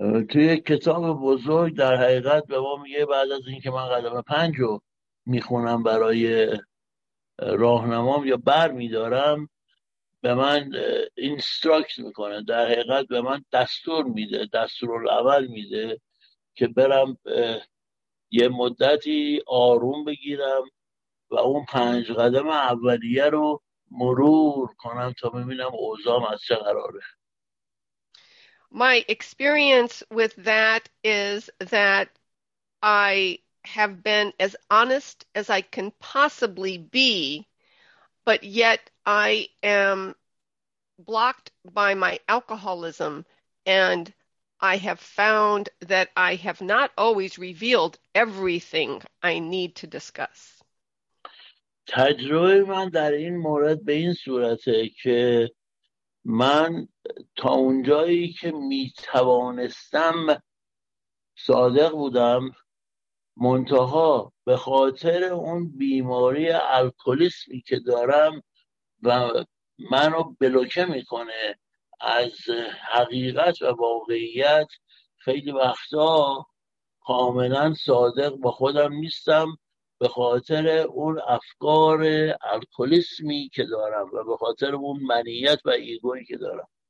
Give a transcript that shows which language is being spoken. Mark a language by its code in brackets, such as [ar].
[fa] توی کتاب بزرگ در حقیقت به ما میگه بعد از اینکه من قدم 5 رو میخونم برای راهنمام یا برمیدارم، به من اینستراکت میکنه، در حقیقت به من دستور میده، دستورالعمل میده که برم یه مدتی آروم بگیرم و اون 5 قدم اولیه رو مرور کنم تا ببینم اوضاعم از چه قراره. [en] My experience with that is that I have been as honest as I can possibly be, but yet I am blocked by my alcoholism and I have found that I have not always revealed everything I need to discuss. [fa] تجربه من در این مورد به این صورته که من تا اونجایی که می توانستم صادق بودم، منتها به خاطر اون بیماری الکلیسمی که دارم و منو بلوکه میکنه از حقیقت و واقعیت، خیلی وقتا کاملا صادق با خودم نیستم به خاطر اون افکار الکلیسمی که دارم و به خاطر اون منیت و ایگویی که دارم.